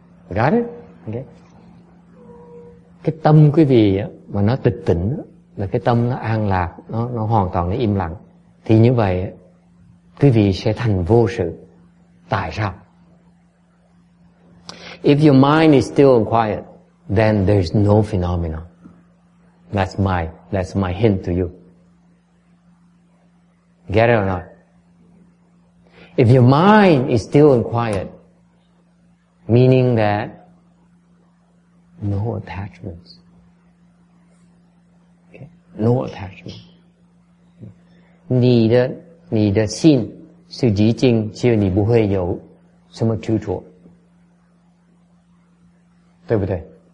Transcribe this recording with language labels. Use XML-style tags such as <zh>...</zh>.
<en>Got it? Ok.</en> <vi>Cái tâm quý vị á, mà nó tịch tỉnh á, là cái tâm nó an lạc, nó hoàn toàn nó im lặng. Thì như vậy á, quý vị sẽ thành vô sự. Tại sao?</vi> <en>If your mind is still and quiet, then there's no phenomenon. That's my hint to you. Get it or not? If your mind is still and quiet, meaning that no attachments. Okay? No attachments.</en> <zh>你的心是极静，所以你不会有什么执着，对不对？</zh>